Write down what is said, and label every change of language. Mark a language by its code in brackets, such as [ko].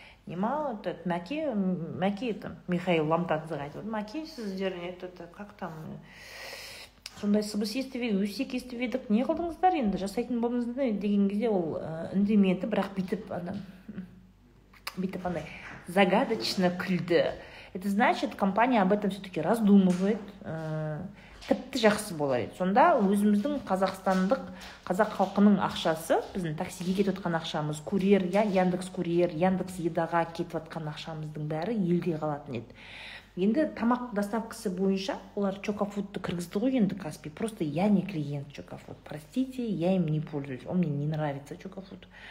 [kk] Нема, этот мәке там Михаил ломтадзе айтып, мәке сіздер как там сондай сыбыс естіп едік, өсек естіп едік, не қылдыңыздар енді жасайтын болдыңыздар деген кезде ол үндемеді, бірақ бүйтіп андай загадочно күлді. [ru] Это значит, компания об этом все-таки раздумывает, [kk] тіпті жақсы болар еді. Сонда өзіміздің қазақстандық, қазақ халқының ақшасы, біздің таксиге кетіп отқан ақшамыз, курьер, Яндекс курьер, Яндекс едаға кетіп отқан ақшамыздың бәрі елде қалатын еді. Енді тамақ доставкасы бойынша олар Чокафудты кіргізді ғой енді Каспи. [ru] Просто я не клиент Чокафуд. Простите, я им не пользуюсь. Он мне не нравится Чокафуд.